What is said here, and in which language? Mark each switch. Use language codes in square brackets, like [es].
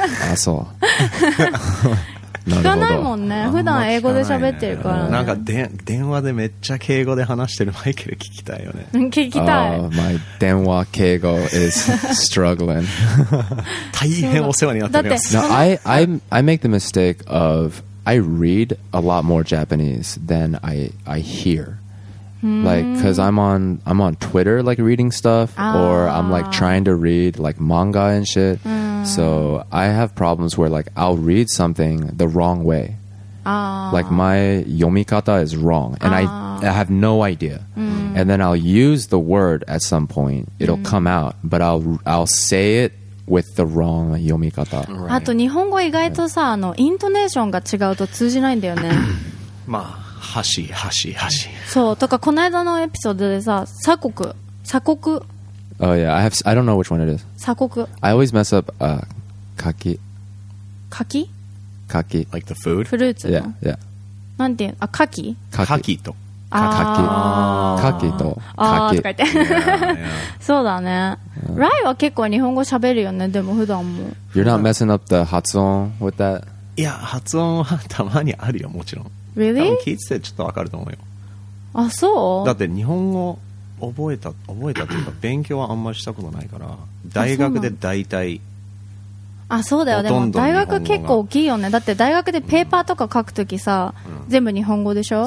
[ja] あ、そう。聞かないもんね。普段英語で喋ってるからね。なんか電話でめっちゃ敬語で話してるマイケル聞きたいよね。聞きたい。 [en] My [ja] 電話敬語 [en] is struggling. [ja] 大変お世話になっております。 [en] Now, I make the mistake of I read a lot more Japanese than I hear. Like, because I'm on Twitter, like, reading stuff, or I'm, like, trying to read, like, manga and shit. So I have problems where, like, I'll read something the wrong way. Like, my yomikata is wrong, and I have no idea. And then I'll use the word at some point. It'll come out, but I'll say it with the wrong yomikata. [ja] あと日本語意外とさ、あの、イントネーションが違うと通じないんだよね。まあ。橋。そう、とかこの間のエピソードでさ、鎖国。 [en] Oh yeah, I don't know which one it is. [ja] 鎖国。 [en] I always mess up, 柿。 [ja] 柿？柿。 [en] Like the food? [ja] フルーツ。 [en] Yeah, yeah. [ja] なんていう、あ、柿？柿と。あ、柿。柿と。あ、とか言って。そうだね。 Rai は結構日本語喋るよね、でも普段も。 [en] You're not messing up the 発音 with that? [ja] いや、発音はたまにあるよ、もちろん。 [en] Really? [ja] 多分聞いててちょっと分かると思うよ。あ、そう？だって日本語覚えたというか勉強はあんまりしたことないから大学で大体ほとんど日本語が。あ、そうだよ。でも大学結構大きいよね。だって大学でペーパーとか書くときさ、全部日本語でしょ。